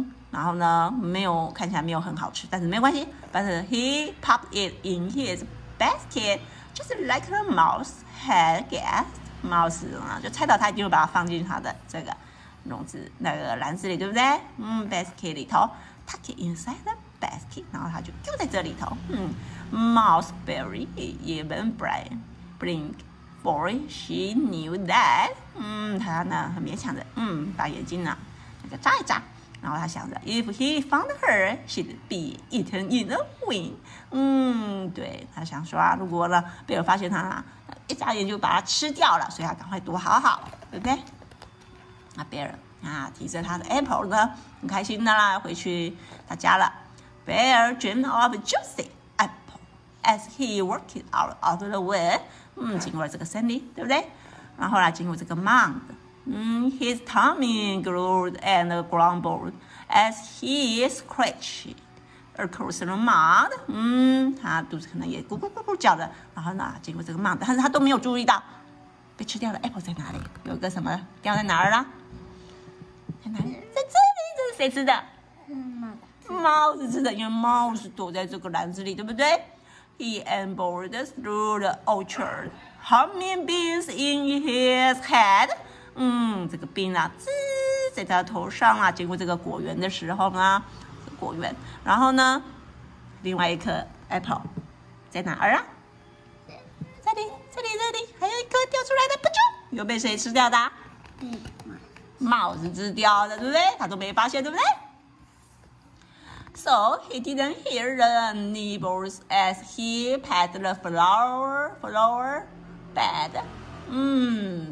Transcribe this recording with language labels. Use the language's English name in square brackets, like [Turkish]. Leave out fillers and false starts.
[Chinese] 然后呢，没有看起来没有很好吃，但是没关系。 [English] 但是 he popped it in his basket, just like the mouse had guessed. [Chinese] Mouse 啊，就猜到他一定会把它放进他的这个笼子那个篮子里，对不对？ [English] basket 里头 ，tuck it inside the basket. [Chinese] 然后他就丢在这里头。 [English] Mouse very even blink, for she knew that. [Chinese] 他呢很勉强的，把眼睛呢那个眨一眨。然后他想着 [English] ，If he found her, she'd be eaten in a wink. [Chinese] 对，他想说啊，如果呢，贝尔发现他了，一眨眼就把他吃掉了，所以他赶快躲好好，对不对？那贝尔啊，提着他的 apple 呢，很开心的啦，回去他家了。 [English] Bear dreamed of juicy apple as he walked out of the wood. [Chinese] 经过这个森林，对不对？然后呢，经过这个 mound。 [English] His tummy growled and grumbled as he scratched across the mud. [Chinese] 他肚子可能也咕咕咕咕叫的，然后呢，经过这个 mud， 但是他都没有注意到被吃掉的 apple 在哪里，有个什么掉在哪儿啦？在哪里？在这里，这是谁吃的？猫子吃的，因为猫是躲在这个篮子里，对不对？ [English] He ambled through the orchard, hummingbees in his head. [Chinese] 这个冰啊，滋在他头上啊，经过这个果园的时候呢，果园，然后呢，另外一颗 apple 在哪儿啊？这里，还有一颗掉出来的，不就又被谁吃掉的？帽子吃掉的，对不对？他都没发现，对不对？ [English] So he didn't hear the nibbles as he passed the flower bed.